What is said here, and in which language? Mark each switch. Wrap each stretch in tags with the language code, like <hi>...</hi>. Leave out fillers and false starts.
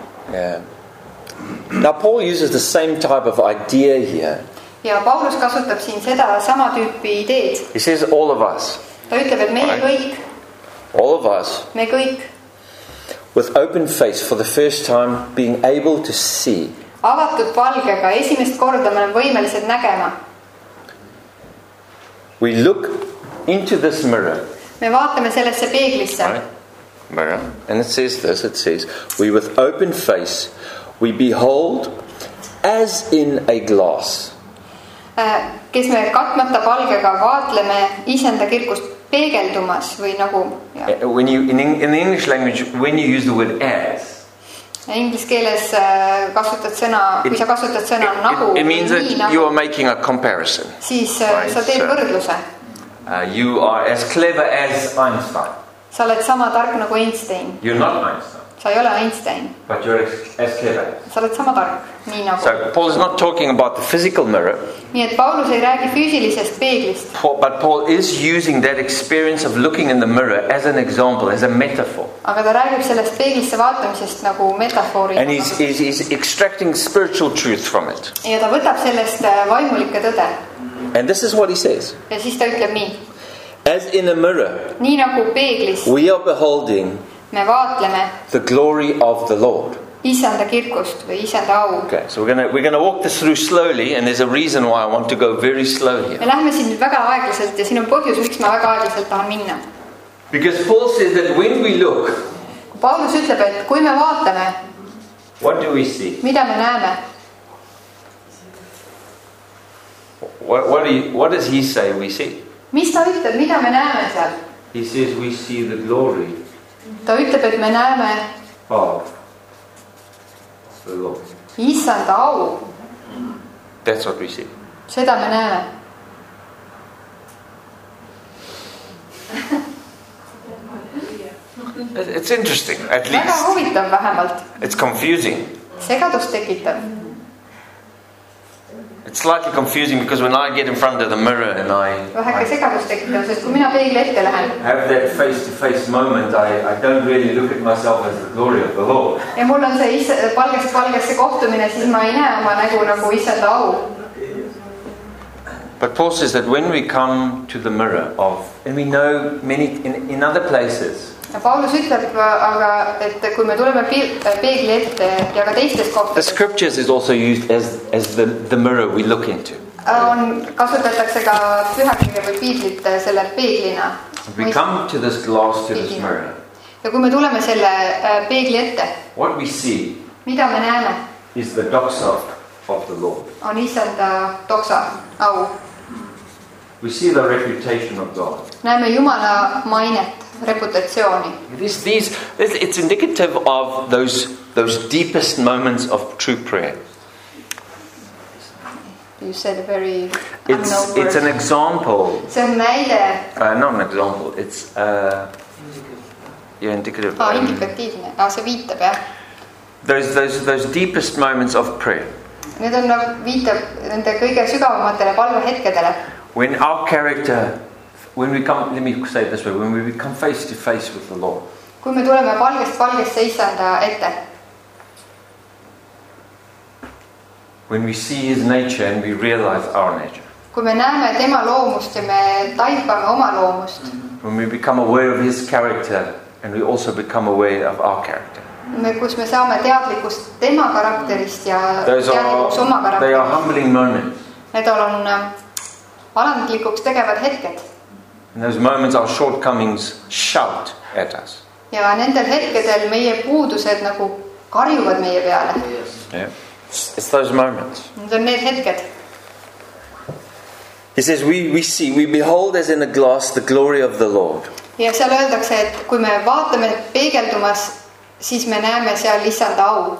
<en>Now Paul uses the same type of idea here.</en> <et>Ja Paulus kasutab siin seda sama tüüpi ideed.</et> <en>He says all of us.</en> <et>Ta ütleb, et meie kõik.</et> <en>All of us.</en> <et>Me kõik.</et> <en>With open face for the first time being able to see.</en> <et>Avatud palgega esimest korda me oleme võimelised nägema.</et> <en>We look into this mirror.</en> <et>Me vaatame sellesse peeglisse.</et> <en>Mirror. And it says this, it says, we with open face we behold as in a glass.</en> <et>Kes me katmata palgega vaatleme isenda kirkust peegeldumas või nagu</et> <en>yeah. When you in the English language when you use the word as</en> <et>English keeles kasutad sõna it, kui sa kasutad sõna</et> <en>it,</en> <et>nagu</et> <en>it means that</en> <et>nagu,</et> <en>you are making a comparison</en> <et>siis right, sa teed so, võrdluse</et> <en>you are as clever as Einstein</en> <et>sa oled sama tark nagu Einstein</et> <en>you're not Einstein</en> <et>sa ei ole Einstein</et> <en>but you're as clever</en> <et>sa oled sama tark nii nagu</et> <en>so Paul is not talking about the physical mirror</en> <et>nii et Paulus ei räägi füüsilisest peeglist</et> <en>but Paul is using that experience of looking in the mirror as an example as a metaphor</en> <et>aga ta räägib sellest peeglisse vaatamisest nagu metafoori</et> <en>and he's extracting spiritual truth from it</en> <et>ja ta võtab sellest vaimulike tõde</et> <en>and this is what he says</en> <et>ja siis ta ütleb nii</et> <en>as in a mirror</en> <et>nii nagu peeglis</et> <en>we are beholding</en> <et>me vaatleme</et> <en>the glory of the Lord</en> <et>Isanda kirkust või isanda au.</et> <en>Okay, so we're gonna walk this through slowly and there's a reason why I want to go very slow here.</en> <et>Me lähme siin väga aeglaselt ja siin on põhjus, miks ma väga aeglaselt tahan minna.</et> <en>Because Paul says that when we look,</en> <et>Paulus ütleb, et kui me vaatame,</et> <en>what do we see?</en> <et>Mida me näeme?</et> <en>What does he say we see?</en> <et>Mis ta ütleb, mida me näeme seal?</et> <en>He says we see the glory.</en> <et>Ta ütleb, et me näeme</et> <en>The Lord.</en> <et>Isanda au.</et> <en>That's what we see.</en> <et>Seda me näeme.</et> <en>It's interesting, at least.</en> <et>Väga huvitav vähemalt.</et> <en>It's confusing.</en> <et>Segadust tekitab.</et> <en>It's slightly confusing because when I get in front of the mirror and I</en> <et>Väheke segadust tekitab, sest kui mina peegli ette lähen.</et> <en>Have that face-to-face moment, I don't really look at myself as the glory of the Lord.</en> <et>Ja mul on see palgesse kohtumine, siis ma ei näe oma nägu nagu isenda au.</et> <en>But Paul says that when we come to the mirror of and we know many in other places.</en> <et>Ja Paulus ütleb, aga et kui me tuleme peegli ette ja ka teistes kohtades.</et> <en>The scriptures is also used as the mirror we look into.</en> <et>On kasutatakse ka pühakirja või piiblit selle peeglina.</et> <en>We come to this glass to this mirror.</en> <et>Ja kui me tuleme selle peegli ette.</et> <en>What we see.</en> <et>Mida me näeme?</et> <en>Is the doxa of the Lord.</en> <et>On isanda doxa au.</et> <en>We see the reputation of God.</en> <et>Näeme Jumala mainet. Reputatsiooni.</et> <en>It's indicative of those deepest moments of true prayer. You said a very It's an example.</en> <et>See on näide.</et> <en>Not an example. It's indicative.</en> <et>Indikatiivne. See viitab, jah.</et> <en>Those deepest moments of prayer.</en> <et>Need on viitab nende kõige sügavamatele palvehetkedele.</et> <en>When our character When we come, let me say it this way, when we come face to face with the Lord.</en> <et>Kui me tuleme palgest palgesse issanda ette.</et> <en>when we see his nature and we realize our nature.</en> <et>Kui me näeme tema loomust ja me taipame oma loomust.</et> <en>When we become aware of his character and we also become aware of our character.</en> <et>Me, kus me saame teadlikust tema karakterist ja teadlikust oma karakterist.</et> <en>They are humbling moments.</en> <et>Need on alandlikuks tegevad hetked.</et> <en>And those moments our shortcomings shout at us.</en> <et>Ja nendel hetkedel meie puudused nagu karjuvad meie peale.</et> <en>Yeah. It's those moments.</en> <et>Need on need hetked.</et> <en>He says, we see, we behold as in a glass the glory of the Lord.</en> <et>Ja seal öeldakse, et kui me vaatame peegeldumas, siis me näeme seal lihtsalt au.</et>